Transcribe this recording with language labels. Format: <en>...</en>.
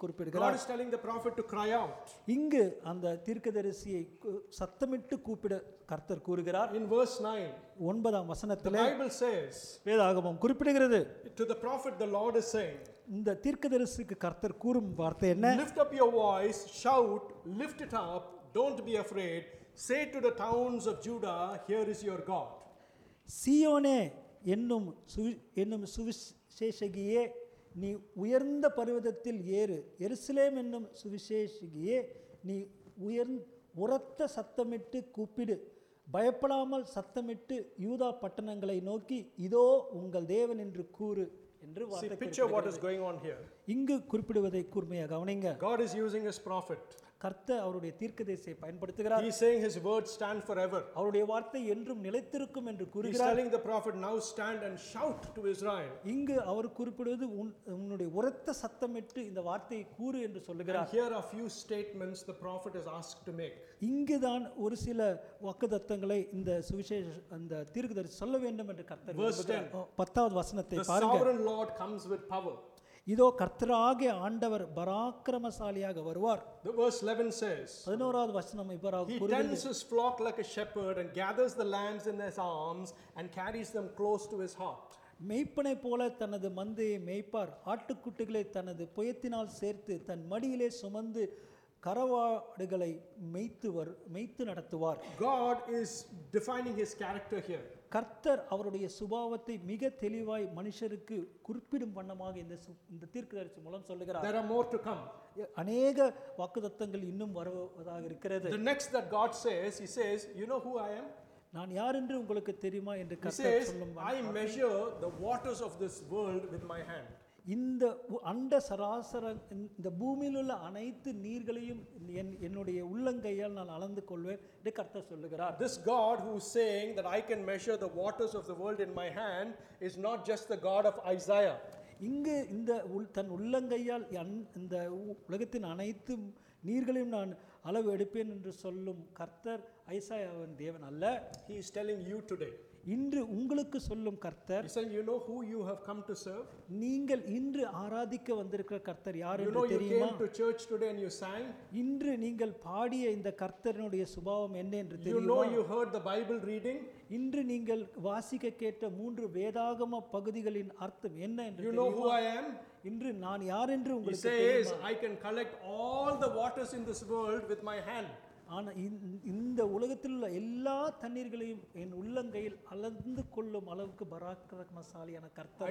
<ta>குறிப்பிடுகிறார். இங்கு அந்த தீர்க்கதரிசியை சத்தமிட்டு கூப்பிட கர்த்தர் கூறுகிறார். 9 வசனத்தில் வேதாகமம் குறிப்பிடுகிறது.</ta> <en>To the prophet the Lord is saying,</en> <ta>இந்த தீர்க்கதரிசிக்கு கர்த்தர் கூறும் வார்த்தை என்ன?</ta> <en>Lift up your voice, shout, lift it up, don't be afraid, say to the towns of Judah, here is your God.</en> <ta>சியோனே என்னும் சுவிசேஷகியே நீ உயர்ந்த பர்வதத்தில் ஏறு. எருசலேம் என்னும் சுவிசேஷகியே நீ உரத்த சத்தமிட்டு கூப்பிடு. பயப்படாமல் சத்தமிட்டு யூதா பட்டணங்களை நோக்கி இதோ உங்கள் தேவன் என்று கூறு.</ta> <en>See, picture what is going on here.</en> <ta>இங்கு குறிப்பிடுவதை கூர்மையாக கவனிங்க.</ta> <en>God is using his prophet.</en> <ta>கர்த்தர் அவருடைய தீர்க்கதரிசியை பயன்படுத்துகிறார்.</ta> <en>He is saying his word stand forever.</en> <ta>அவருடைய வார்த்தை என்றும் நிலைத்திருக்கும் என்று கூறுகிறார்.</ta> <en>He is telling the prophet now stand and shout to Israel.</en> <ta>இங்கு அவர் குறிப்பிடுவது உன்னுடைய உரத்த சத்தமிட்டு இந்த வார்த்தையை கூறு என்று சொல்கிறார்.</ta> <en>Here are a few statements the prophet is asked to make.</en> <ta>இங்குதான் ஒரு சில வாக்குத்தத்தங்களை இந்த சுவிசேஷ அந்த தீர்க்கதரிசி சொல்ல வேண்டும் என்று கர்த்தர் விரும்புகிறார். 10 வசனத்தை பாருங்க.</ta> <en>The sovereign Lord comes with power.</en> <ta>இதோ கர்த்தராகிய ஆண்டவர் பராக்கிரமசாலியாக வருவார்.</ta> <en>The verse 11 says.</en> <ta>11வது வசனம் இவ்வாறாக கூறுகிறது.</ta> <en>He tends his flock like a shepherd and gathers the lambs in his arms and carries them close to his heart.</en> <ta>மேய்ப்பனை போல தனது மந்தையை மேய்ப்பார். ஆட்டுக்குட்டிகளை தனது புயத்தினால் சேர்த்து தன் மடியிலே சுமந்து கரவாடுகளை மேய்த்து நடத்துவார்.</ta> <en>God is defining his character here.</en> <ta>கர்த்தர் அவருடைய சுபாவத்தை மிக தெளிவாய் மனுஷருக்கு குறிப்பிடும் வண்ணமாக இந்த தீர்க்கதரிசி மூலம் சொல்கிறார்.</ta> <en>There are more to come.</en> <ta>அநேக வாக்குத்தத்தங்கள் இன்னும் வருவதாக இருக்கிறது.</ta> <en>The next that God says, he says, you know who I am?</en> <ta>நான் யார் என்று உங்களுக்கு தெரியுமா என்று கர்த்தர் சொல்லும் வண்ணம்.</ta> <en>I measure the waters of this world with my hand.</en> <ta>இந்த அண்ட சராசர இந்த பூமியில் உள்ள அனைத்து நீர்களையும் என்னுடைய உள்ளங்கையால் நான் அளந்து கொள்வேன் என்று கர்த்தர் சொல்லுகிறார்.</ta> <en>This God who is saying that I can measure the waters of the world in my hand is not just the God of Isaiah.</en> <ta>இங்கு இந்த தன் உள்ளங்கையால் இந்த உலகத்தின் அனைத்து நீர்களையும் நான் அளவு எடுப்பேன் என்று சொல்லும் கர்த்தர் ஐசாயாவின் தேவன் அல்ல.</ta> <en>He is telling you today.</en> <ta>இன்று உங்களுக்கு சொல்லும் கர்த்தர்,</ta> <en>He said, you know who you have come to serve?</en> <ta>நீங்கள் இன்று ஆராதிக்க வந்திருக்கிற கர்த்தர் யார் என்று தெரியுமா?</ta> <en>You know you came to church today and you sang?</en> <ta>இன்று நீங்கள் பாடிய இந்த கர்த்தரினுடைய சுபாவம் என்ன என்று தெரியுமா?</ta> <en>You know you heard the Bible reading?</en> <ta>இன்று நீங்கள் வாசிக்க கேட்ட 3 வேதாகம பகுதிகளின் அர்த்தம் என்ன என்று தெரியுமா?</ta> <en>You know who I am?</en> <ta>இன்று நான் யார் என்று உங்களுக்கு தெரியுமா?</ta> <en>He says, I can collect all the waters in this world with my hand.</en> <ta>இந்த உலகத்தில் உள்ள எல்லா தண்ணீர்களையும் என் உள்ளங்கையில் அளந்து கொள்ளும் அளவுக்கு பராக்கிரமசாலியான கர்த்தர்.</ta>